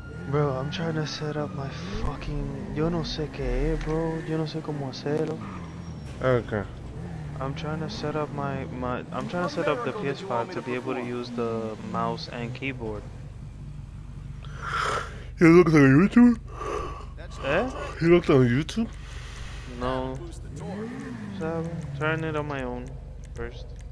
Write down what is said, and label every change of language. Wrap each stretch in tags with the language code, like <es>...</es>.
<en>Bro, I'm trying to set up my fucking...</en> <es>Yo no sé qué es, bro, yo no sé cómo hacerlo.</es> <en>Okay. I'm trying to set up I'm trying to set up the PS5 to be able to use the mouse and keyboard. He looked on YouTube? Eh? He looked on YouTube? No. So I'm trying it on my own first.</en>